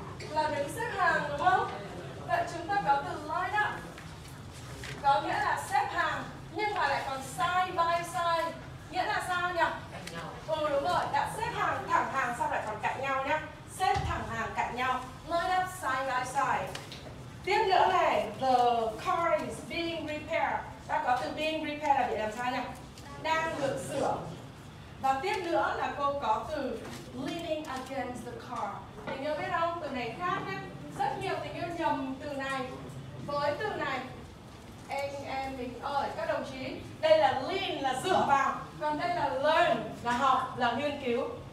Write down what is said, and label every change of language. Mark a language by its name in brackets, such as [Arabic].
[Vietnamese] Là đứng xếp hàng đúng không? Vậy chúng ta có từ [English] light up. [Vietnamese] Có nghĩa là xếp hàng. Nhưng mà lại còn side by side. Nghĩa là sao nhỉ? Ừ đúng rồi, đã xếp hàng thẳng hàng xong lại còn cạnh nhau nhé. Xếp thẳng hàng cạnh nhau. [English] Light up side by side. [Vietnamese] Tiếp nữa này, [English] the car is being repaired. [Vietnamese] Ta có từ [English] being repaired [Vietnamese] là bị làm sao nhỉ? Đang được sửa. Và tiếp nữa là cô có từ [English] leaning against the car. [Vietnamese] Tình yêu biết không? Từ này khác nhé. Rất nhiều tình yêu nhầm từ này với từ này. Em mình ơi, các đồng chí, đây là lean là dựa vào, còn đây là learn là học, là nghiên cứu.